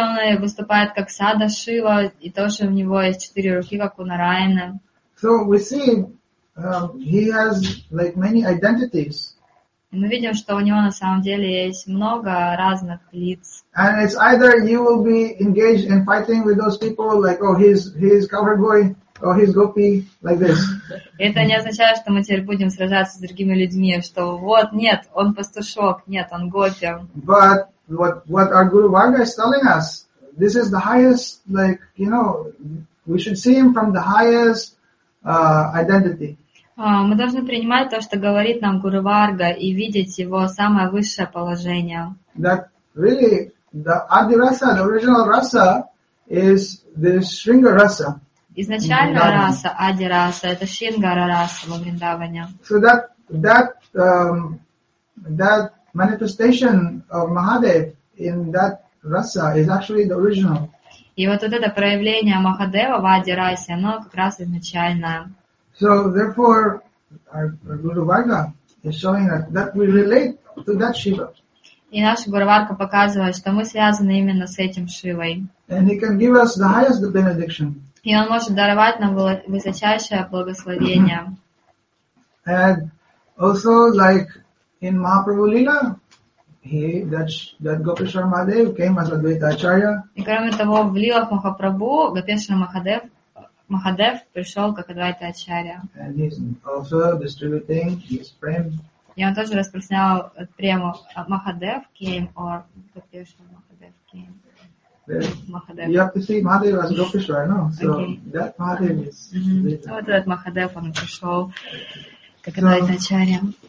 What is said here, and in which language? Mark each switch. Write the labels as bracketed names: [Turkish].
[Russian] он выступает как Сада Шива, и тоже у него есть четыре руки, как у Нараяна. [English] So we see he has like many identities. [Russian] И мы видим, что у него на самом деле есть много разных лиц. [English] And it's either you will be engaged in fighting with those people, like, oh, he's cover boy. Oh, he's gopi, like this. [Russian] Это не означает, что мы теперь будем сражаться с другими людьми, что вот, нет, он пастушок, нет, он гопи. [English] But what our Guru Varga is telling us, this is the highest, like, you know, we should see him from the highest identity. [Russian] Мы должны принимать то, что говорит нам Гуру Варга, и видеть его самое высшее положение. [English] That really, the Adi Rasa, the original Rasa, is the Sringa Rasa. [Russian] Изначально раса, ади раса, это Шрингара раса во Вриндаване. [English] So that manifestation of Mahadev in that rasa is actually the original. [Russian] И вот это проявление Махадева в ади расе, оно как раз изначальное. [English] So therefore, our Guru Varga is showing that we relate to that Shiva. [Russian] И наша Гуру Варга показывает, что мы связаны именно с этим Шивой. [English] And he can give us the highest benediction. [Russian] И он может даровать нам высочайшее благословение. [English] And also, like in Mahaprabhu Lila, that Gopesha Mahadev came as Advaita Acharya. [Russian] И кроме того, в Лилах Махапрабху Гопеша Махадев пришел как Адвайта Ачарья. [English] And he's also distributing his prem. [Russian] И он тоже распространял прему Махадев [English] came or [Russian] Гопеша Махадев [English] came. You have to see Mahadev as Gopeshwar, no? So okay. That Mahadev is... Mm-hmm. [Russian] Вот этот Махадев, он пришел, как Адвайта Ачарья.